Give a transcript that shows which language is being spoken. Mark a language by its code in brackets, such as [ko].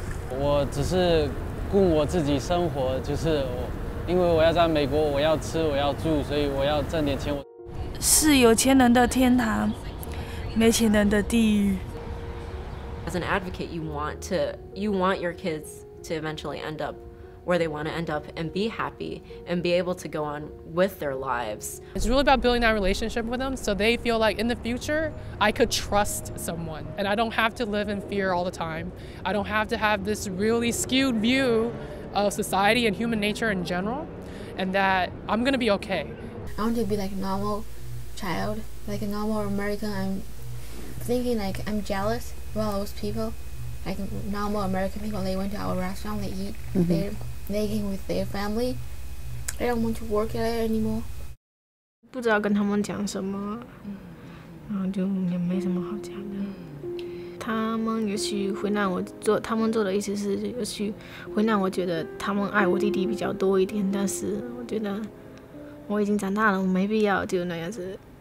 [zh] 我只是顾我自己生活，就是我，因为我要在美国，我要吃，我要住，所以我要挣点钱。是有钱人的天堂，没钱人的地狱。 [en] As an advocate, you want your kids to eventually end up where they want to end up and be happy and be able to go on with their lives. It's really about building that relationship with them so they feel like in the future, I could trust someone and I don't have to live in fear all the time. I don't have to have this really skewed view of society and human nature in general, and that I'm gonna be okay. I want to be like a normal child, like a normal American. I'm thinking like I'm jealous of all those people, like normal American people. They went to our restaurant, they eat, mm-hmm. they're making with their family. I don't want to work there anymore. [zh] 不知道跟他们讲什么，然后就也没什么好讲的。他们也许会让我做他们做的一些事，也许会让我觉得他们爱我弟弟比较多一点，但是我觉得我已经长大了，我没必要就那样子。